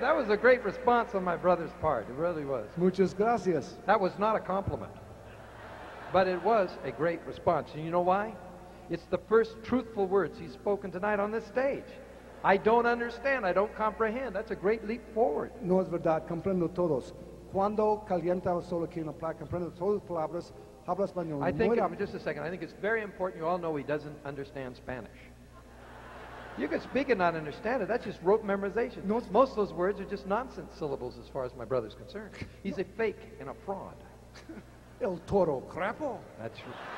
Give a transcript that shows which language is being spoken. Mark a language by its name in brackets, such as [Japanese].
[English] That was a great response on my brother's part. It really was. [Spanish] Muchas gracias. [English] That was not a compliment, but it was a great response. And you know why? It's the first truthful words he's spoken tonight on this stage. I don't understand. I don't comprehend. That's a great leap forward. [Spanish] No es verdad. Comprendo todos. Cuando calienta el sol aquí en la playa, comprendo todas las palabras, habla español. [English] I think, just a second, I think it's very important you all know he doesn't understand Spanish. You can speak and not understand it, that's just rote memorization. No, most of those words are just nonsense syllables as far as my brother's concerned. He's a fake and a fraud. [Spanish] El toro crapo. [English] That's right.